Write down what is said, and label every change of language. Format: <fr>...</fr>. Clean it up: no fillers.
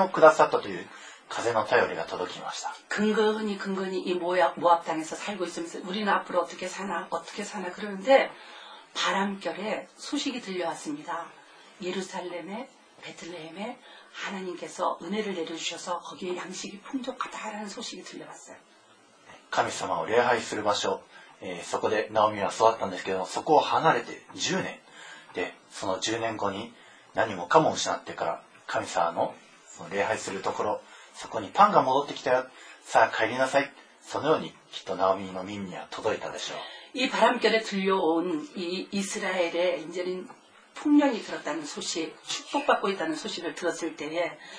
<ja>そんなナオミのところに、風の頼りで、その神様の家であるベツレヘム、そこに飢饉が終わって、神様がパンをくださった、恵みをくださったという風の頼りが届きました。</ja> <ko>근근히 근근히 이 모압 땅에서 살고 있으면서 우리는 앞으로 어떻게 사나, 어떻게 사나 그러는데 바람결에 소식이 들려왔습니다. 예루살렘에, 베틀레헴에 하나님께서 은혜를 내려주셔서 거기에 양식이 풍족하다라는 소식이 들려왔어요.</ko> <ja>神様を 礼拝する 場所, そこでナオミは育ったんですけど、そこを離れて 10年, その 10年 後に 何もかも失ってから 神様の礼拝するところ, そこにパンが戻ってきたよ, さあ帰りなさい, そのようにきっとナオミの耳には届いたでしょう。</ja> <ko>이 바람결에 들려온 이 이스라엘에 이제는 풍년이 들었다는 소식, 축복받고 있다는 소식을 들었을 때에</ko>